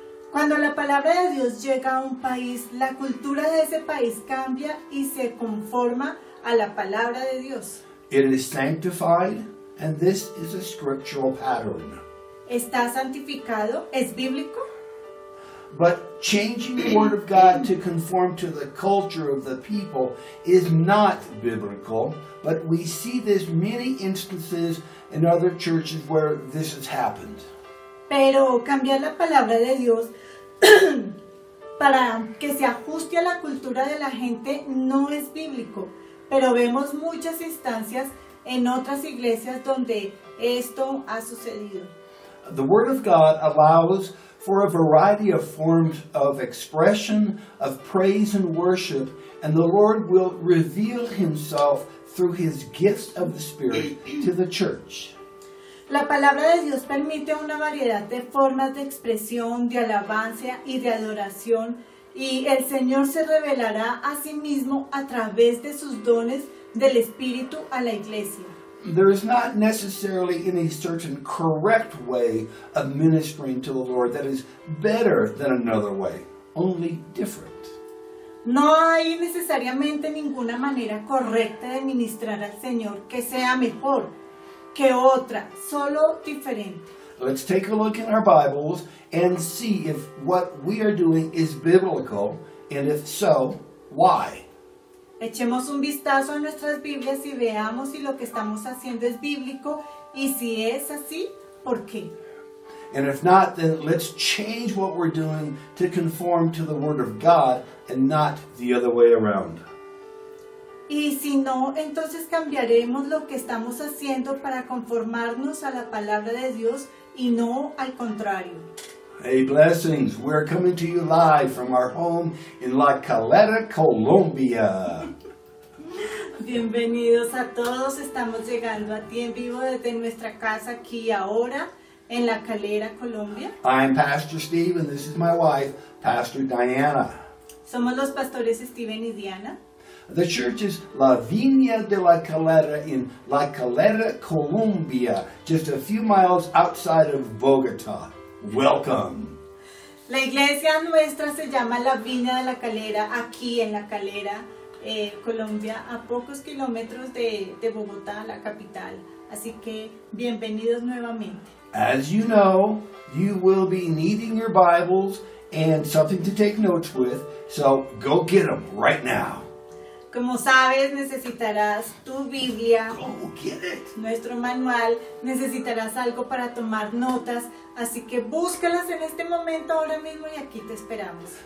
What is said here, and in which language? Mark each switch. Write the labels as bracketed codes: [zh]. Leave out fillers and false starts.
[es] Cuando la palabra de Dios llega a un país, la cultura de ese país cambia y se conforma a la palabra de Dios. [en] It is sanctified, and this is a scriptural pattern. [es] Está santificado, es bíblico. [en] But changing the word of God to conform to the culture of the people is not biblical, but we see this many instances in other churches where this has happened. [es] Pero cambiar la palabra de Dios para que se ajuste a la cultura de la gente no es bíblico, pero vemos muchas instancias en otras iglesias donde esto ha sucedido. [en] The word of God allows for a variety of forms of expression, of praise and worship, and the Lord will reveal himself through his gifts of the Spirit to the church. [es] La palabra de Dios permite una variedad de formas de expresión, de alabanza y de adoración, y el Señor se revelará a sí mismo a través de sus dones del Espíritu a la iglesia. [en] There is not necessarily any certain correct way of ministering to the Lord that is better than another way, only different. [es] No hay necesariamente ninguna manera correcta de ministrar al Señor que sea mejor que otra, solo diferente. [en] Let's take a look in our Bibles and see if what we are doing is biblical, and if so, why. [es] Echemos un vistazo a nuestras Biblias y veamos si lo que estamos haciendo es bíblico y si es así, ¿por qué? [en] And if not, then let's change what we're doing to conform to the Word of God and not the other way around. [es] Y si no, entonces cambiaremos lo que estamos haciendo para conformarnos a la Palabra de Dios y no al contrario. [en] Hey, blessings. We're coming to you live from our home in La Caleta, Colombia. [es] Bienvenidos a todos. Estamos llegando a ti en vivo desde nuestra casa aquí ahora en La Caleta, Colombia. [en] I'm Pastor Steve and this is my wife, Pastor Diana. [es] Somos los pastores Steven y Diana. [en] The church is La Viña de la Caleta in La Caleta, Colombia, just a few miles outside of Bogotá. Welcome. [es] La iglesia nuestra se llama La Viña de la Calera, aquí en La Calera, Colombia, a pocos kilómetros de Bogotá, la capital. Así que, bienvenidos nuevamente. [en] As you know, you will be needing your Bibles and something to take notes with, so go get them right now. [es] Como sabes, necesitarás tu Biblia, nuestro manual, necesitarás algo para tomar notas, así que búscalas en este momento, ahora mismo, y aquí te esperamos.